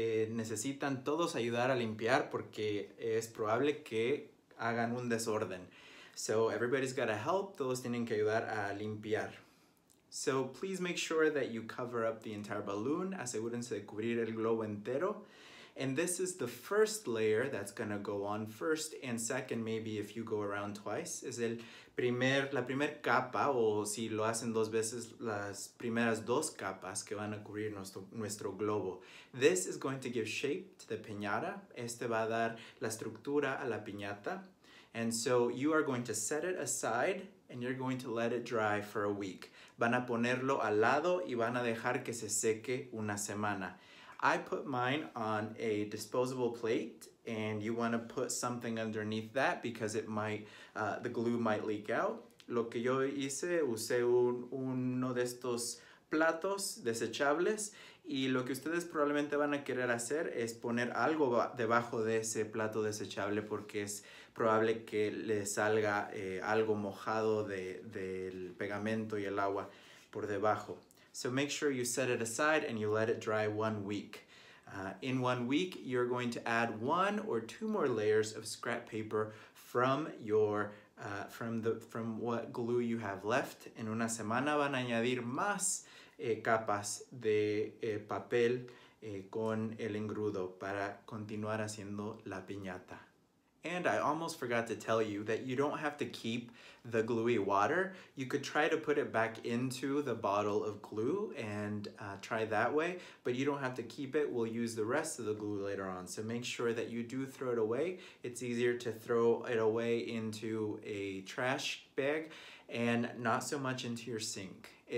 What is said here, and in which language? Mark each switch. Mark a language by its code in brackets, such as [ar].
[es] Necesitan todos ayudar a limpiar porque es probable que hagan un desorden. [en] So everybody's got to help, [es] todos tienen que ayudar a limpiar. [en] So please make sure that you cover up the entire balloon. [es] Asegúrense de cubrir el globo entero. [en] And this is the first layer that's gonna go on first and second, maybe if you go around twice. [es] Es la primer capa, o si lo hacen dos veces, las primeras dos capas que van a cubrir nuestro globo. [en] This is going to give shape to the piñata. [es] Este va a dar la estructura a la piñata. [en] And so you are going to set it aside and you're going to let it dry for a week. [es] Van a ponerlo al lado y van a dejar que se seque una semana. [en] I put mine on a disposable plate, and you want to put something underneath that because it might, the glue might leak out. [es] Lo que yo hice, usé uno de estos platos desechables, y lo que ustedes probablemente van a querer hacer es poner algo debajo de ese plato desechable porque es probable que le salga algo mojado del pegamento y el agua por debajo. [en] So make sure you set it aside and you let it dry 1 week. In 1 week, you're going to add one or two more layers of scrap paper from your from what glue you have left. [es] En una semana van a añadir más capas de papel con el engrudo para continuar haciendo la piñata. [en] And I almost forgot to tell you that you don't have to keep the gluey water. You could try to put it back into the bottle of glue and try that way, but you don't have to keep it. We'll use the rest of the glue later on. So make sure that you do throw it away. It's easier to throw it away into a trash bag and not so much into your sink.